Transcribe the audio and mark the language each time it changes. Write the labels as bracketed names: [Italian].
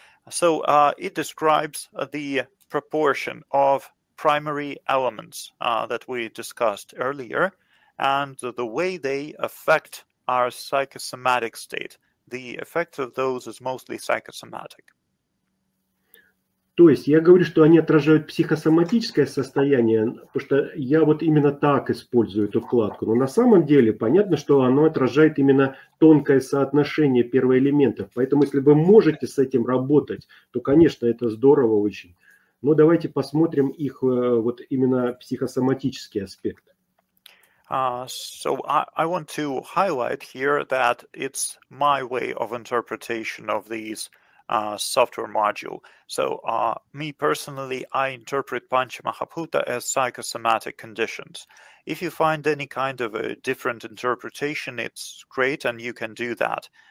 [English] So it describes the proportion of primary elements that we discussed earlier and the way they affect our psychosomatic state. The effect of those is mostly psychosomatic. [Russian] То есть я говорю, что они отражают психосоматическое состояние, потому что я вот именно так использую эту вкладку. Но на самом деле понятно, что оно отражает именно тонкое соотношение первоэлементов. Поэтому если вы можете с этим работать, то, конечно, это здорово очень. Но давайте посмотрим их вот именно психосоматический аспект. [English] So I want to highlight here that it's my way of interpretation of these software module. So me personally, I interpret Panchamahabhuta as psychosomatic conditions. If you find any kind of a different interpretation, it's great and you can do that.